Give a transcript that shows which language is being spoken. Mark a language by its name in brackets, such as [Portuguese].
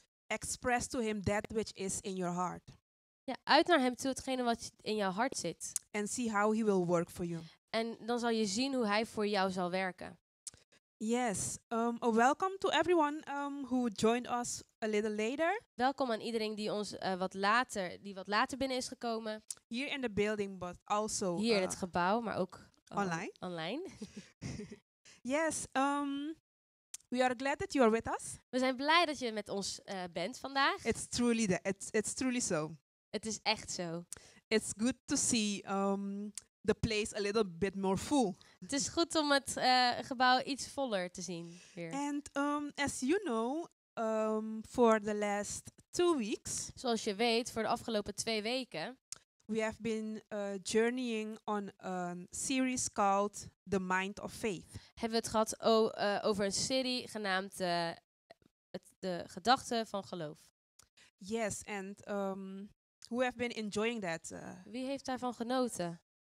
[English] Express to him that which is in your heart. [Dutch] Ja, uit naar hem toe hetgene wat in jouw hart zit. [English] And see how he will work for you. [Dutch] En dan zal je zien hoe hij voor jou zal werken. [English] Yes. Welcome to everyone who joined us a little later. [Dutch] Welkom aan iedereen die ons wat later binnen is gekomen. [English] Here in the building, but also. [Dutch] Hier in het gebouw, maar ook [English] online. [Dutch] Online. [English] Yes, we are glad that you are with us. [Dutch] We zijn blij dat je met ons bent vandaag. [English] It's truly so. [Dutch] Het is echt zo. [English] It's good to see the place a little bit more full. [Dutch] Het is goed om het gebouw iets voller te zien hier. [English] And as you know, for the last 2 weeks. [Dutch] Zoals je weet, voor de afgelopen 2 weken. [English] We have been journeying on a series called The Mind of Faith. [Dutch] Hebben we het gehad over een serie genaamd de gedachten van geloof. [English] Yes, and who have been enjoying that? [Dutch] Wie heeft daarvan genoten?